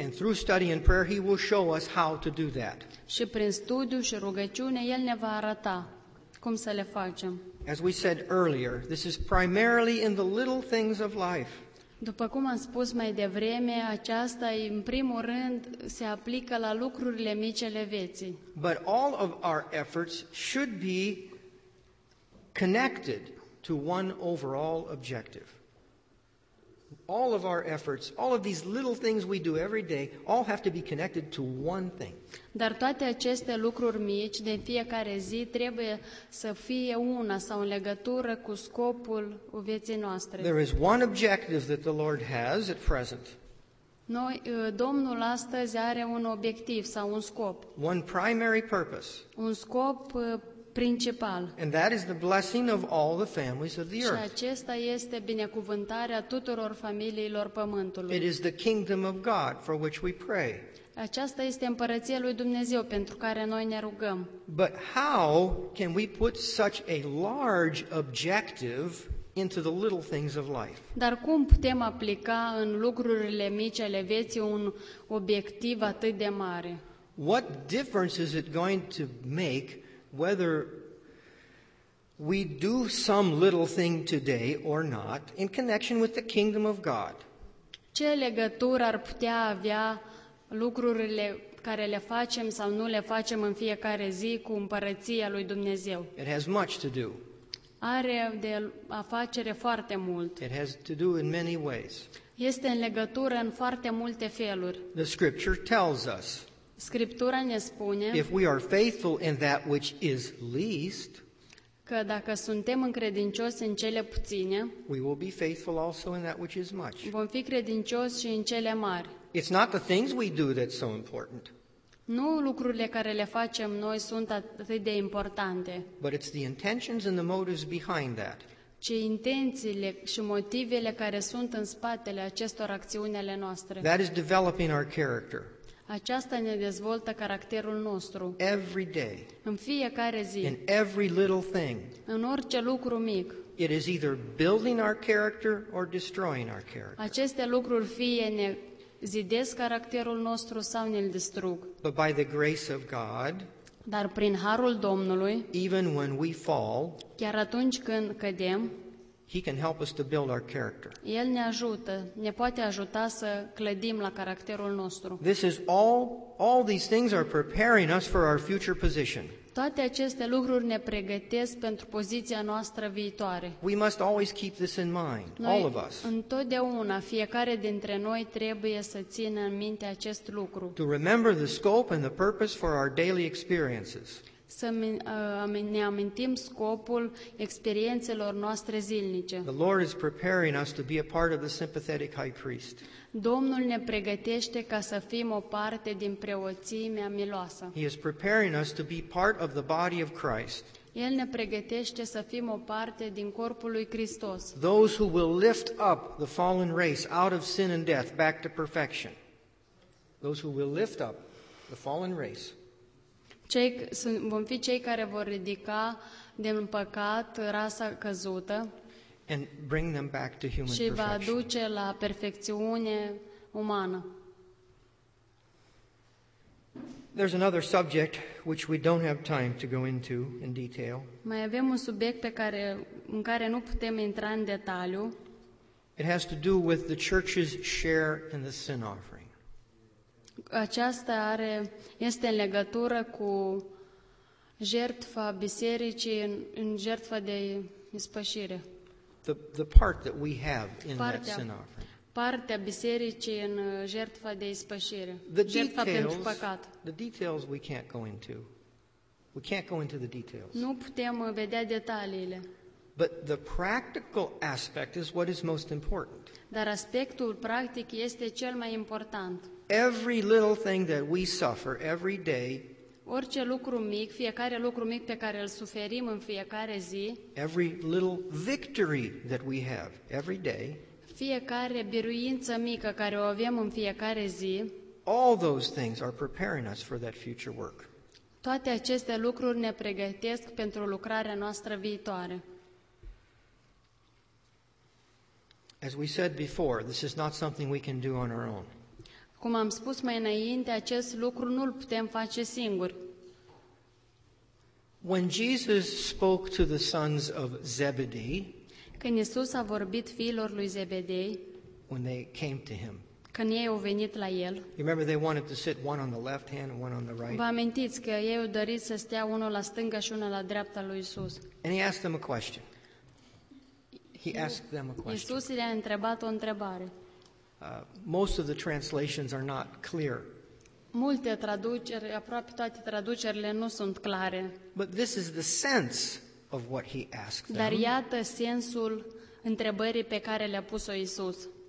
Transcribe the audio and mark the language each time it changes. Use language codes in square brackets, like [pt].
[en] And through study and prayer, he will show us how to do that. [ro] Și prin studiu și rugăciune, el ne va arăta cum să le facem. [en] As we said earlier, this is primarily in the little things of life. [ro] După cum am spus mai devreme, aceasta în primul rând se aplică la lucrurile mici ale vieții. [en] But all of our efforts should be connected to one overall objective. All of our efforts, all of these little things we do every day, all have to be connected to one thing. [ro] Dar toate aceste lucruri mici de fiecare zi trebuie să fie una sau în legătură cu scopul vieții noastre. [en] There is one objective that the Lord has at present. [ro] Noi, Domnul astăzi are un obiectiv sau un scop. [en] One primary purpose. [ro] Un scop principal. [en] And that is the blessing of all the families of the earth. [ro] Și acesta este binecuvântarea tuturor familiilor pământului. [en] It is the kingdom of God for which we pray. [ro] Aceasta este împărăția lui Dumnezeu pentru care noi ne rugăm. [en] But how can we put such a large objective into the little things of life? [ro] Dar cum putem aplica în lucrurile mici ale vieții un obiectiv atât de mare? [en] What difference is it going to make whether we do some little thing today or not in connection with the kingdom of God? [ro] Ce legătură ar putea avea lucrurile care le facem sau nu le facem în fiecare zi cu împărăția lui Dumnezeu? [en] It has much to do. [ro] Are de a face foarte mult. [en] It has to do in many ways. [ro] Este în legătură în foarte multe feluri. [en] The scripture tells us. [ro] Scriptura ne spune, [en] if we are faithful in that which is least, [ro] că dacă suntem încredincioși în cele puține, [en] we will be faithful also in that which is much. [ro] Vom fi credincioși și în cele mari. [en] It's not the things we do that's so important. [ro] Nu lucrurile care le facem noi sunt atât de importante. [en] But it's the intentions and the motives behind that. [ro] Ci intențiile și motivele care sunt în spatele acestor acțiuni ale noastre. [en] That is developing our character. [ro] Aceasta ne dezvoltă caracterul nostru. [en] Every day. [ro] În fiecare zi. [en] In every little thing. [ro] În orice lucru mic. [en] It is either building our character or destroying our character. [ro] Aceste lucruri fie ne zidesc caracterul nostru sau ne-l distrug. [en] But by the grace of God. [ro] Dar prin harul Domnului. [en] Even when we fall. [ro] Chiar atunci când cădem. [en] He can help us to build our character. [ro] El ne ajută, ne poate ajuta să clădim la caracterul nostru. [en] This is all these things are preparing us for our future position. [ro] Toate aceste lucruri ne pregătesc pentru poziția noastră viitoare. [en] We must always keep this in mind, [ro] noi, [en] all of us. [ro] Întotdeauna, fiecare dintre noi trebuie să țină în minte acest lucru. [en] To remember the scope and the purpose for our daily experiences. [ro] Să ne amintim scopul experiențelor noastre zilnice. [en] The Lord is preparing us to be a part of the sympathetic high priest. [ro] Domnul ne pregătește ca să fim o parte din preoțimea miloasă. [en] He is preparing us to be part of the body of Christ. [ro] El ne pregătește să fim o parte din corpul lui Hristos. [en] Those who will lift up the fallen race out of sin and death back to perfection. Those who will lift up the fallen race [ro] vom fi cei care vor ridica din păcat rasa căzută [en] and bring them back to human [ro] și va aduce la perfecțiune umană. [en] There's another subject which we don't have time to go into in detail. [ro] Mai avem un subiect pe care în care nu putem intra în detaliu. [en] It has to do with the church's share in the sin offering. [ro] Aceasta are este în legătură cu jertfa bisericii în jertfa de ispășire. [en] The part that we have in [ro] partea, [en] that sin offering. [ro] Partea bisericii în jertfa de ispășire, jertfa pentru păcat. [en] The details we can't go into. We can't go into the details. [ro] Nu putem vedea detaliile. [en] But the practical aspect is what is most important. [ro] Dar aspectul practic este cel mai important. [en] Every little thing that we suffer every day. [ro] Orice lucru mic, fiecare lucru mic pe care îl suferim în fiecare zi. [en] Every little victory that we have every day. [ro] Fiecare biruință mică care o avem în fiecare zi. [en] All those things are preparing us for that future work. [ro] Toate aceste lucruri ne pregătesc pentru lucrarea noastră viitoare. [en] As we said before, this is not something we can do on our own. [ro] Cum am spus mai înainte, acest lucru nu-l putem face singuri. [en] When Jesus spoke to the sons of Zebedee, [ro] când Iisus a vorbit fiilor lui Zebedei, [en] when they came to him, [ro] când ei au venit la el, [en] you remember they wanted to sit one on the left hand and one on the right. [ro] Vă amintiți că ei au dorit să stea unul la stânga și unul la dreapta lui Iisus. [en] And he asked them a question. He asked them a question. [ro] Iisus le-a întrebat o întrebare. [en] Most of the translations are not clear. [ro] Multe traduceri, aproape toate traducerile nu sunt clare. [en] But this is the sense of what he asked them. [ro] Dar iată sensul întrebării pe care le-a pus-o Iisus.